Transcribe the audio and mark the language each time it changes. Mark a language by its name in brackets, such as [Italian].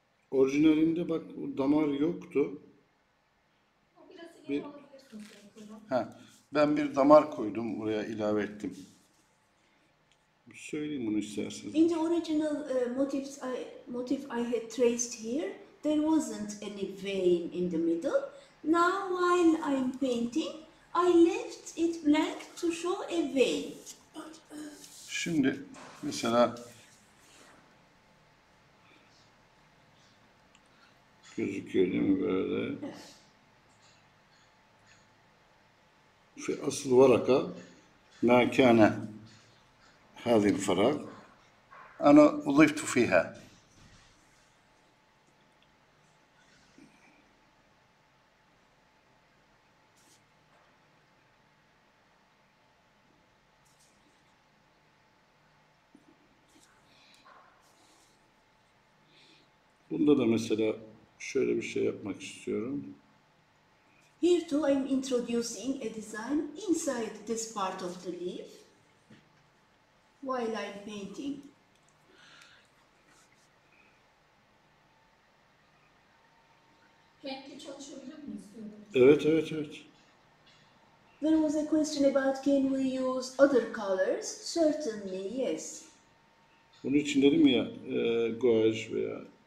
[Turkish] Orijinalinde bak o damar yoktu. Biraz ilave bir... alabilirsin. Ha, ben bir damar koydum oraya ilave ettim. Söyleyeyim bunu isterseniz. [English] In the original motif I had traced here, there wasn't any vein in the middle. Now while I'm painting, I left it blank to show a vein. [Turkish] Şimdi mesela gözüküyor değil mi böyle? Evet. [Arabic] Asıl varaka mekâne هذه الفراغ أنا أضفت فيها [Turkish] bunda da mesela şöyle bir şey yapmak istiyorum. [English] Here too I'm introducing a design inside this part of the leaf. While I'm painting. [Turkish] Renkli çalışabilir miyiz? Evet, evet, evet. [English] There was a question about can we use other colors? Certainly, yes. [Turkish] Bunun için dedim ya, gouache veya...